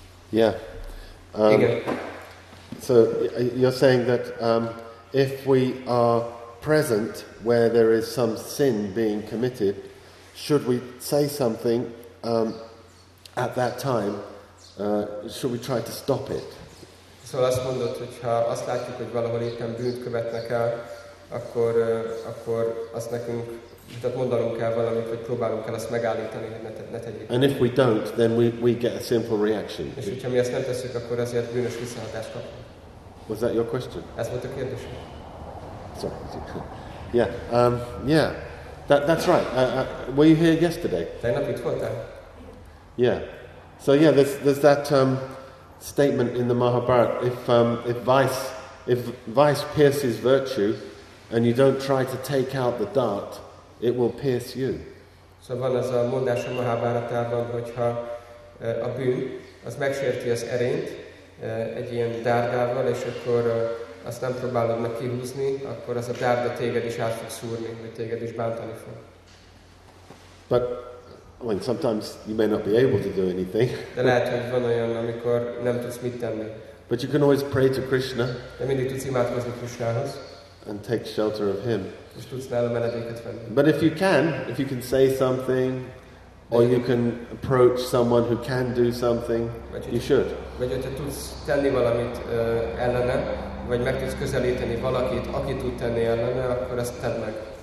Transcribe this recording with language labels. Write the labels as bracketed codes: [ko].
[en] Yeah. So you're saying that if we are present where there is some sin being committed, should we say something at that time? Should we try to stop it? [hu] Szóval azt mondod, hogyha azt látjuk, hogy valahol éppen bűnt követnek el, akkor, akkor azt nekünk, tehát mondanunk kell valamit, hogy próbálunk el azt megállítani, hogy ne tegyük. [en] And if we don't, then we get a simple reaction. [hu] És hogyha mi ezt nem tesszük, akkor azért bűnös visszahatást kapunk. [en] Was that your question? [hu] Ez volt a kérdésem. [en] Sorry. Yeah. Yeah. That's right. Were you here yesterday? [hu] Tegnap itt voltál? [en] Yeah. So yeah, there's that statement in the Mahabharata, if vice pierces virtue and you don't try to take out the dart, it will pierce you. [hu] So van ez a mondás a Mahabharatában, hogyha a bűn az megsérti az erényt egy ilyen dárdával, és akkor azt nem próbálod meg kihúzni, akkor az a dárda téged is át fog szúrni, vagy téged is bántani fog. [en] But when sometimes you may not be able to do anything. [hu] De lehet, hogy van olyan, amikor nem tudsz mit tenni. [en] But you can always pray to Krishna. [hu] De mindig tudsz imádkozni Krishnához. [en] And take shelter of him. [hu] És tudsz nála menedéket venni. [en] But if you can say something, or you can approach someone who can do something, you should. [hu] Vagy hogyha tudsz tenni valamit ellene, vagy meg tudsz közelíteni valakit, aki tud tenni ellene, akkor ezt tedd meg.